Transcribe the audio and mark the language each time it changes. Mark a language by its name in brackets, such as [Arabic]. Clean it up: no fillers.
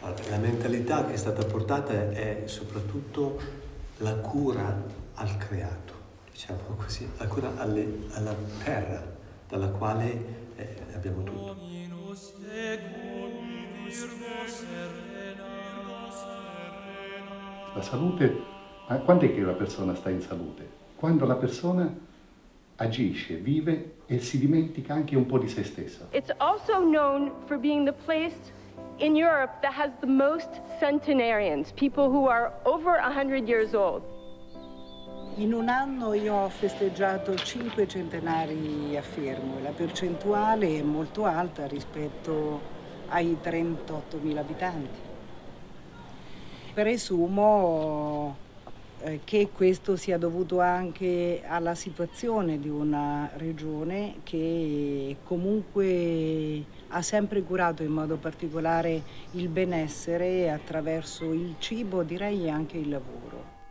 [Italian] La mentalità che è stata portata è soprattutto la cura al creato, diciamo così, la cura alla terra dalla quale abbiamo tutto. La salute, ma quando è che la persona sta in salute? Quando la persona agisce, vive e si dimentica anche un po' di se stessa. [English] It's also known for being the place in Europe that has the most centenarians, people who are over 100 years old. [Italian] In un anno io ho festeggiato 5 centenari a Fermo e la percentuale è molto alta rispetto ai 38.000 abitanti. Presumo che questo sia dovuto anche alla situazione di una regione che comunque ha sempre curato in modo particolare il benessere attraverso il cibo, direi anche il lavoro.